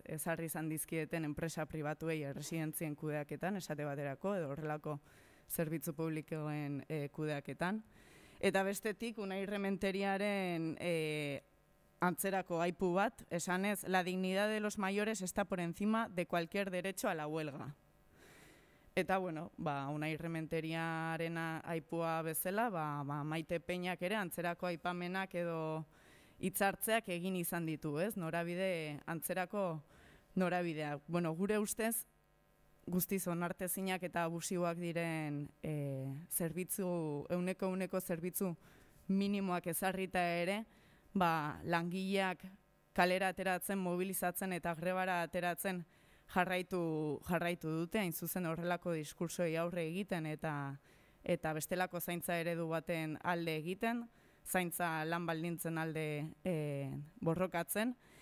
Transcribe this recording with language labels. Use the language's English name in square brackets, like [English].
[Basque] Ezarri izan dizkieten enpresa pribatuei erresidentzien kudeaketan, esate baterako, edo horrelako zerbitzu publikoen kudeaketan. Eta bestetik, Unai Rementeriaren antzerako aipu bat, esanez, [Spanish] la dignidad de los mayores está por encima de cualquier derecho a la huelga. [Basque] Eta, bueno, ba, Unai Rementeriaren aipua bezala, ba, Maite Peñak ere antzerako aipamenak edo hitzartzeak egin izan ditu, ez? Norabide, antzerako norabidea. Bueno, gure ustez, guztiz onartezinak eta abusiboak diren zerbitzu, ehuneko zerbitzu minimoak ezarrita ere, ba, langileak kalera ateratzen, mobilizatzen eta grebara ateratzen jarraitu dute, hain zuzen horrelako diskursoei aurre egiten eta bestelako zaintza eredu baten alde egiten, zaintza lan baldintzen alde borrokatzen.